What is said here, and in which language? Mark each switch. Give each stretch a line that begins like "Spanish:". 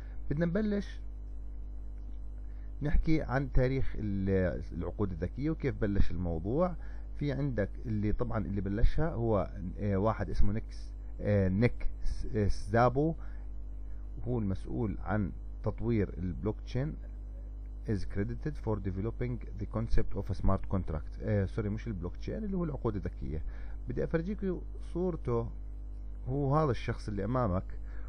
Arabic: بدنا نبلش نحكي عن تاريخ العقود الذكية وكيف بلش الموضوع. في عندك اللي طبعا اللي بلشها هو واحد اسمه نيك سزابو، هو المسؤول عن تطوير البلوك تشين.
English: is credited for developing the concept of a smart contract.
Arabic: سوري مش البلوك تشين، اللي هو العقود الذكية. بدي افرجيكم صورته، هو هذا الشخص اللي امامك.